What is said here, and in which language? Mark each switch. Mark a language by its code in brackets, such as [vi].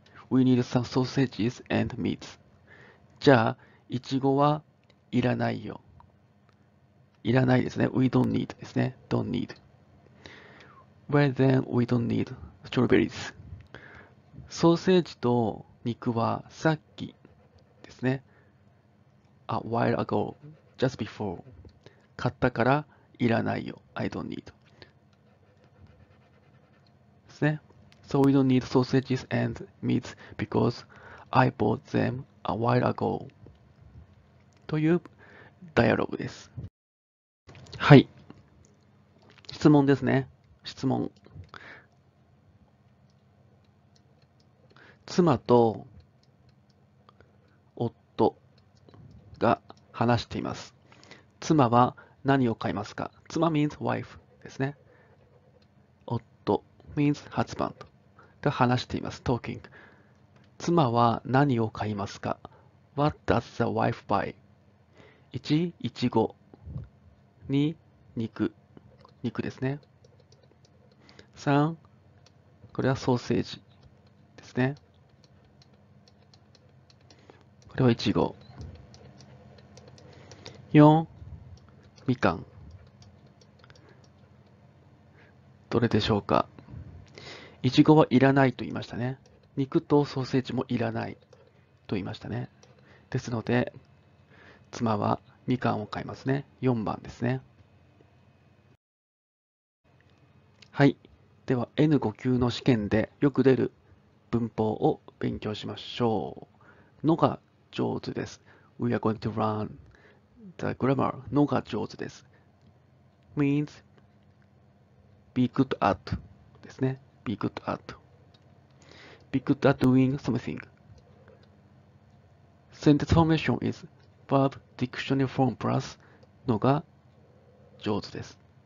[en] We need some sausages and meats。 [ja] じゃあ、いちごはいらないよ。いらないですね。 [en] we don't need [ja] ですね。 [en] don't need。 Well then, we don't need strawberries. [ja] ソーセージと肉はさっきですね。 [en] A while ago, just before. [ja] 買ったからいらないよ。 [en] I don't need. [ja] ですね。 [en] So we don't need sausages and meats because I bought them a while ago. [ja] というダイアログです。はい。質問ですね。質問。妻と夫が話しています。妻は何を買いますか？妻 [en] means wife [ja] ですね。夫 [en] means husband [ja] が話しています。 [en] talking。 [ja] 妻は何を買いますか ? [en] What does the wife buy? [ja] 1、いちご。2、肉。肉ですね。 3、これはソーセージですね。これはイチゴ。 4、みかん。どれでしょうか？イチゴはいらないと言いましたね。肉とソーセージもいらないと言いましたね。ですので、妻はみかんを買いますね。4番ですね。はい。では N5 級の試験でよく出る文法を勉強しましょう。のが上手です。 [en] We are going to learn the grammar. [ja] のが上手です。 [en] means be good at [ja] ですね。 [en] be good at. be good at doing something. sentence formation is verb dictionary form plus のが上手です。